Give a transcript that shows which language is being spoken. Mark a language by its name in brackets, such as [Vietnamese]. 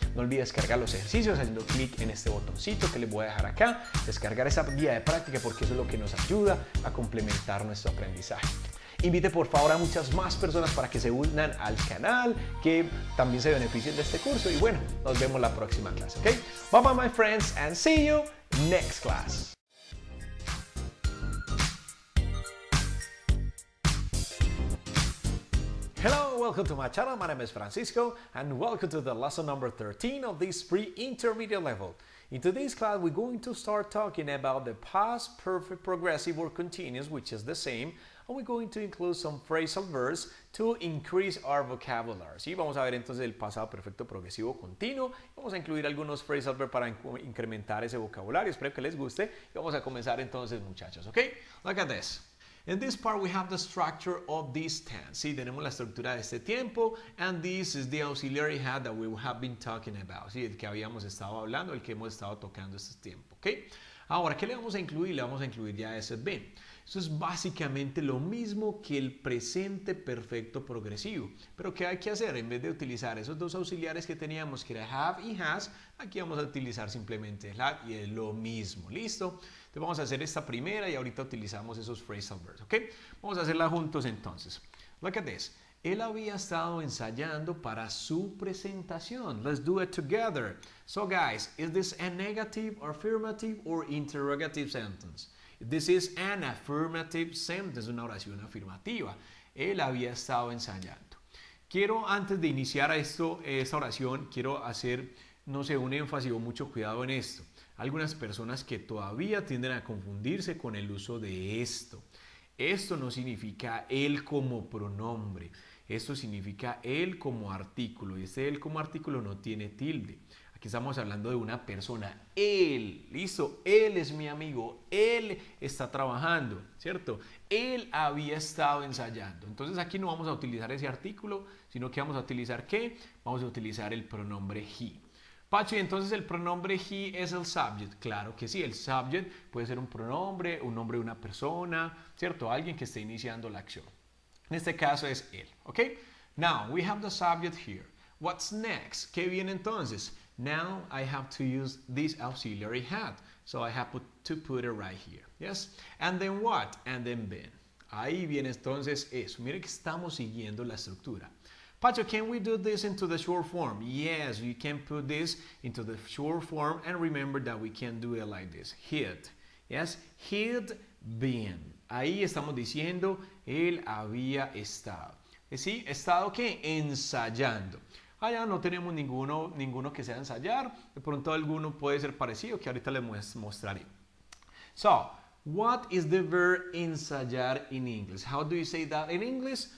[Spanish] No olvides descargar los ejercicios haciendo clic en este botoncito que les voy a dejar acá. Descargar esa guía de práctica porque eso es lo que nos ayuda a complementar nuestro aprendizaje. Invite por favor a muchas más personas para que se unan al canal, que también se beneficien de este curso. Y bueno, nos vemos la próxima clase, ¿ok? [English] Bye bye, my friends, and see you next class. Hello, welcome to my channel. My name is Francisco and welcome to the lesson number 13 of this pre-intermediate level. In today's class, we're going to start talking about the past perfect progressive or continuous, which is the same, and we're going to include some phrasal verbs to increase our vocabulary. [Spanish] Sí, vamos a ver entonces el pasado perfecto progresivo continuo. Vamos a incluir algunos phrasal verbs para incrementar ese vocabulario. Espero que les guste. Y vamos a comenzar entonces, muchachos, ¿ok? [English] Look at this. In this part, we have the structure of this tense. [Spanish] Sí, tenemos la estructura de este tiempo. [English] And this is the auxiliary head that we have been talking about. [Spanish] Sí, el que habíamos estado hablando, el que hemos estado tocando este tiempo. ¿Okay? Ahora, ¿qué le vamos a incluir? Le vamos a incluir ya ese been. Eso es básicamente lo mismo que el presente perfecto progresivo. Pero, ¿qué hay que hacer? En vez de utilizar esos dos auxiliares que teníamos, que era have y has, aquí vamos a utilizar simplemente el have y es lo mismo. ¿Listo? Entonces, vamos a hacer esta primera y ahorita utilizamos esos phrasal verbs. ¿Ok? Vamos a hacerla juntos entonces. [English] Look at this. [Spanish] Él había estado ensayando para su presentación. [English] Let's do it together. So, guys, is this a negative, affirmative, or interrogative sentence? This is an affirmative sentence, [Spanish] una oración afirmativa. Él había estado ensayando. Quiero, antes de iniciar esta oración, quiero hacer, no sé, un énfasis o mucho cuidado en esto. Algunas personas que todavía tienden a confundirse con el uso de esto. Esto no significa él como pronombre. Esto significa él como artículo. Y este él como artículo no tiene tilde. Aquí estamos hablando de una persona. Él. ¿Listo? Él es mi amigo. Él está trabajando. ¿Cierto? Él había estado ensayando. Entonces aquí no vamos a utilizar ese artículo, sino que vamos a utilizar ¿qué? Vamos a utilizar el pronombre he. Pacho, ¿y entonces el pronombre he es el subject? Claro que sí. El subject puede ser un pronombre, un nombre de una persona, ¿cierto? Alguien que esté iniciando la acción. En este caso es él. ¿Ok? [English] Now, we have the subject here. What's next? [Spanish] ¿Qué viene entonces? [English] Now I have to use this auxiliary had. So I have to put it right here. Yes? And then what? And then been. [Spanish] Ahí viene entonces eso. Mire que estamos siguiendo la estructura. [English] Pacho, can we do this into the short form? Yes, you can put this into the short form. And remember that we can do it like this. Hit. Yes? Hit been. [Spanish] Ahí estamos diciendo, él había estado. ¿Sí? ¿Estado qué? Ensayando. Allá no tenemos ninguno que sea ensayar. De pronto alguno puede ser parecido, que ahorita les mostraré. [English] So, what is the verb ensayar in English? How do you say that in English?